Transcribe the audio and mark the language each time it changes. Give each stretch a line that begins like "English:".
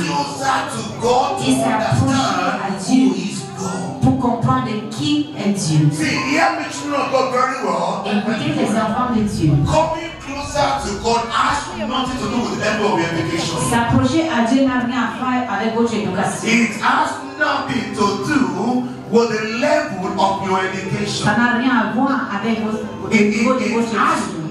French: Il s'est approché à Dieu pour comprendre qui est Dieu. Écoutez les enfants de Dieu. S'approcher à Dieu n'a rien à faire avec votre éducation.
English: It has nothing to do with the level of your education.
French: Ça n'a rien à voir avec votre niveau de votre éducation.